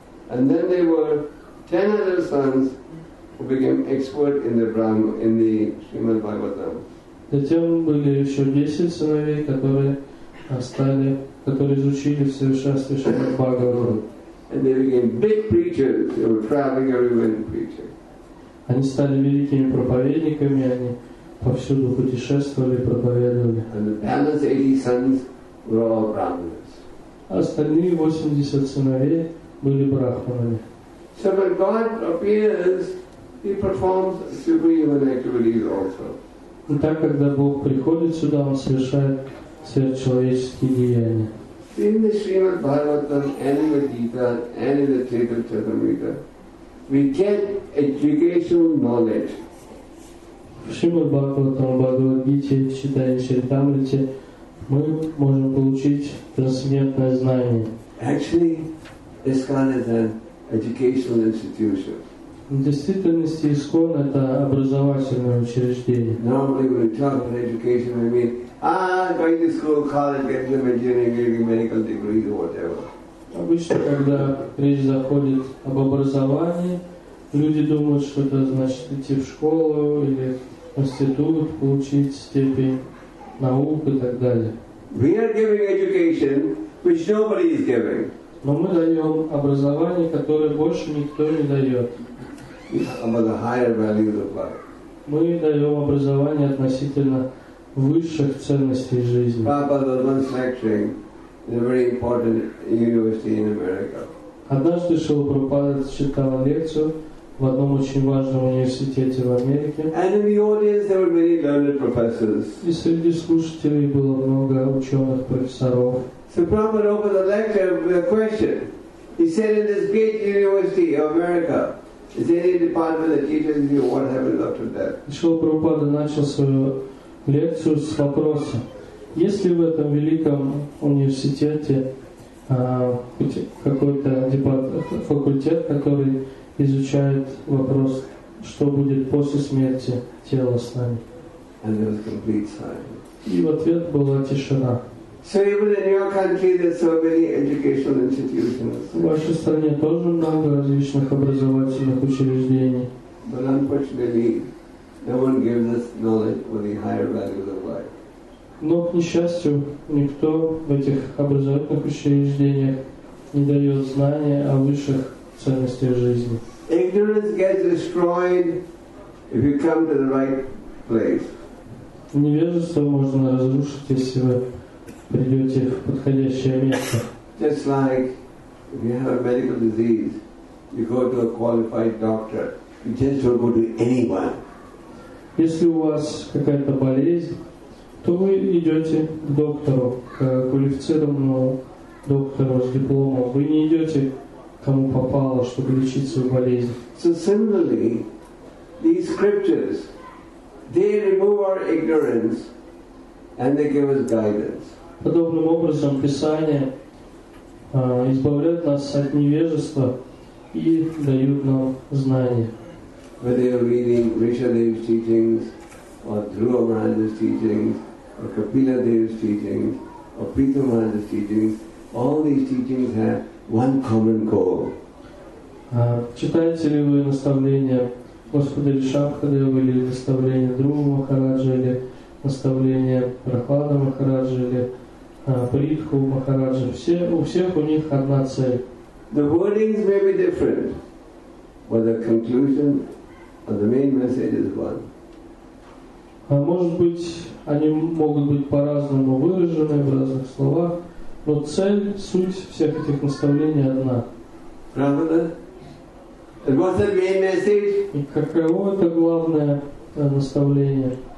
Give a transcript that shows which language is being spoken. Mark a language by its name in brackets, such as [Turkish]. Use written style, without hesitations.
[English] And then there were 10 other sons who became expert in the Brahma, in the Srimad Bhagavatam. [Russian] Затем были еще 10 сыновей, которые изучили в совершенстве Шримад Бхагаватам. [English] And they became big preachers. They were traveling everywhere and preaching. [Russian] Они стали великими проповедниками, они повсюду путешествовали, проповедовали. [English] And the balance 80 sons were all Brahmins. [Russian] Остальные 80 сыновей были брахманами. [English] So when God appears, He performs superhuman activities also. [Russian] И так, когда Бог приходит сюда, Он совершает сверхчеловеческие деяния. [English] In the Srimad Bhagavatam and in the Gita and in the Chaitanya Charitamrita, we get educational knowledge. [Russian] В Шримад Бхагаватам, Бхагавад Гите, Читане, Чаритамрите мы можем получить трансцендентное знание. [English] Actually, ISKCON is an educational institution. [Russian] В действительности ISKCON это образовательное учреждение. [English] Normally, when we talk about education, we mean going to school, college, getting an engineering, medical degree, or whatever. [Russian] Обычно, когда речь заходит об образовании, люди думают, что это значит идти в школу или в институт, получить степень наук и так далее. [English] We are giving education, which nobody is giving. [Russian] Но мы даем образование, которое больше никто не дает. [English] About the higher values of life. [Russian] Мы даем образование относительно высших ценностей жизни. [English] Prabhupada was lecturing in a very important university in America. [Russian] Однажды Шрила Прабхупада читала лекцию в одном очень важном университете в Америке. [English] And in the audience there were many learned professors. [Russian] И среди слушателей было много ученых профессоров. [English] So Prabhupada opened the lecture with a question. He said, "In this great university of America, is there any department that teaches you what happens after death?" [Russian] Шрила Прабхупада начал свою лекцию с вопроса: есть ли в этом великом университете какой-то факультет, который изучает вопрос, что будет после смерти тела с нами? [English] And there was complete silence. [Russian] И в ответ была тишина. [English] So even in your country, there's so many educational institutions. [Russian] В вашей стране тоже много различных образовательных учреждений. [English] But unfortunately, no one gives us knowledge for the higher values of life. [Russian] Но, к несчастью, никто в этих образовательных учреждениях не дает знания о высших ценностях жизни. [English] Ignorance gets destroyed if you come to the right place. [Russian] Невежество можно разрушить, если вы придете в подходящее место. [English] Just like if you have a medical disease, you go to a qualified doctor, you just don't go to anyone. [Russian] Если у вас какая-то болезнь, то вы идете к доктору, к квалифицированному доктору с дипломом. Вы не идете к кому попало, чтобы лечить свою болезнь. [English] So similarly, these scriptures, they remove our ignorance and they give us guidance. [Russian] Подобным образом Писание избавляет нас от невежества и дает нам знания. [English] Whether you're reading Rishadev's teachings or Dhruva Maharaj's teachings, or Kapila Dev's teachings, or Pritha Maharaj's teachings, all these teachings have one common goal. [Russian] Читаете ли вы наставления Господа Ришабхадева или наставления Друга Махараджа или наставления Прахлада Махараджа или Притху Махараджа? Все, у всех у них одна цель. [English] The wordings may be different, but the conclusion or the main message is one. [Russian] Может быть, они могут быть по-разному выражены в разных словах, но цель, суть всех этих наставлений одна. И каково это главное наставление?